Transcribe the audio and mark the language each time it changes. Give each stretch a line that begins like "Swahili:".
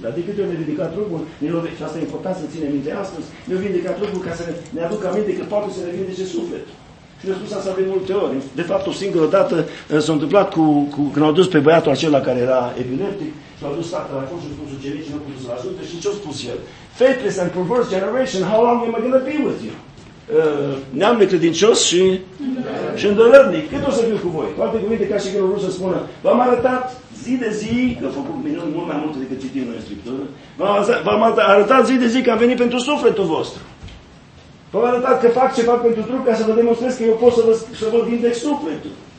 Romanian: Dar de câte ori ne-au vindicat trupul, și asta e important să ținem minte astăzi, ne-au vindicat trupul ca să ne aducă aminte că poate să ne vindece sufletul. Și ne-au spus asta de multe ori. De fapt, o singură dată s-a întâmplat cu când au dus pe băiatul acela care era epileptic, și l-au dus tatăl la fost și-a spus ucenic și nu a putut să-l ajute. Și ce a spus el?
English: Faithless and perverse generation, how long am I going to be with you?
Romanian: Neam necredincios și îndărărnic. Cât o să fiu cu voi? Cu alte cuvinte, ca și când vreau să spună, v-am arătat zi de zi, că a făcut minuni mult mai multe decât citim noi în Scriptură, v-am arătat zi de zi că am venit pentru sufletul vostru. V-am arătat că fac ce fac pentru trup ca să vă demonstrez că eu pot să vă vindec sufletul.